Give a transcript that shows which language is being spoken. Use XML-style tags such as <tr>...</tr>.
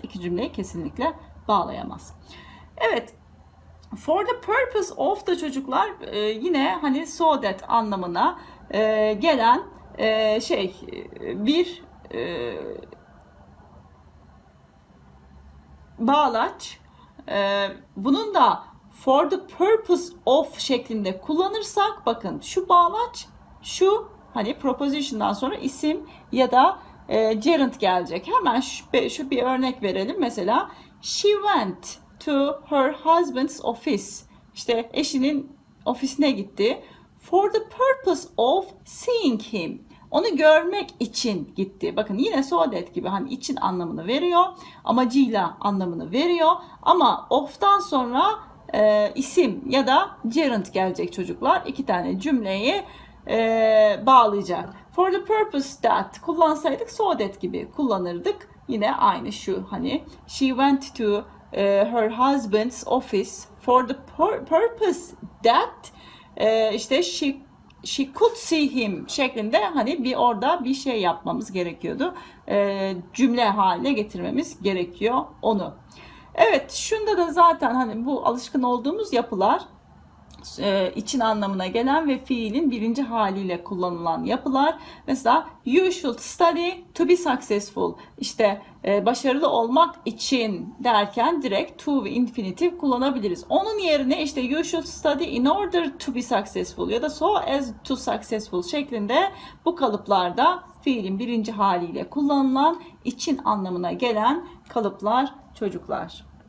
<tr>İki cümleyi kesinlikle bağlayamaz. Evet, for the purpose of da çocuklar yine hani so that anlamına gelen şey bir bağlaç. Bunun da for the purpose of şeklinde kullanırsak bakın şu bağlaç şu hani proposition'dan sonra isim ya da Gerund gelecek. Hemen şu bir örnek verelim.</tr> <en>Mesela she went to her husband's office.</en> <tr>İşte eşinin ofisine gitti.</tr> <en>For the purpose of seeing him.</en> <tr>Onu görmek için gitti. Bakın yine so that gibi hani için anlamını veriyor. Amacıyla anlamını veriyor. Ama of'tan sonra isim ya da gerund gelecek çocuklar. İki tane cümleyi bağlayacak. For the purpose that kullansaydık so that gibi kullanırdık. Yine aynı şu hani</tr> <en>she went to her husband's office for the purpose that</en> <tr>işte</tr> <en>she could see him</en> <tr>şeklinde hani bir orada bir şey yapmamız gerekiyordu. Cümle haline getirmemiz gerekiyor onu. Evet, şunda da zaten hani bu alışkın olduğumuz yapılar için anlamına gelen ve fiilin birinci haliyle kullanılan yapılar.</tr> <en>Mesela you should study to be successful.</en> <tr>İşte başarılı olmak için derken direkt to ve infinitif kullanabiliriz. Onun yerine işte</tr> <en>you should study in order to be successful</en> <tr>ya da</tr> <en>so as to successful</en> <tr>şeklinde bu kalıplarda fiilin birinci haliyle kullanılan için anlamına gelen kalıplar çocuklar.</tr>